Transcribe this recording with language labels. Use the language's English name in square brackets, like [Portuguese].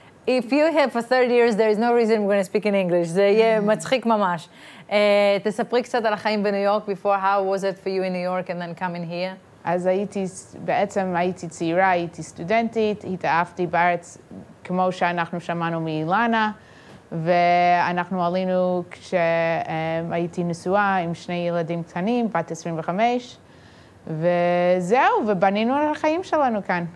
[English] If you have for 30 years, there is no reason we're going to speak in English. [Hebrew] זה יהיה מצחיק ממש. תספרי קצת על החיים בניו יורק before. [English] How was it for you in New York and then coming here? [Hebrew] אז הייתי, בעצם הייתי צעירה, הייתי סטודנטית, התאהבתי בארץ כמו שאנחנו שמענו מאילנה, ואנחנו עלינו כשהייתי נשואה עם שני ילדים קטנים, בת 25, וזהו, ובנינו על החיים שלנו כאן.